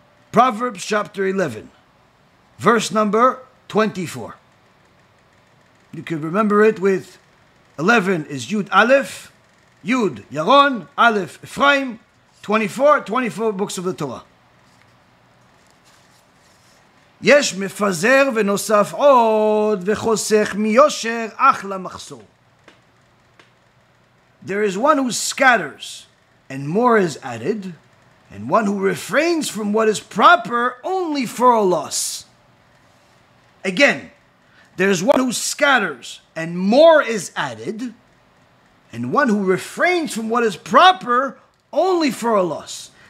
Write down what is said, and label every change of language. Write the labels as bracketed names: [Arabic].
[English] Proverbs chapter 11, verse number 24. You can remember it with 11 is Yud Aleph, Yud Yaron, Aleph Ephraim, 24 books of the Torah. [Hebrew] יש מפזר ונוסף עוד וחוסך מיושר אחלה מחסור. [English] There is one who scatters and more is added, and one who refrains from what is proper only for a loss. Again, there is one who scatters and more is added, and one who refrains from what is proper only for a loss.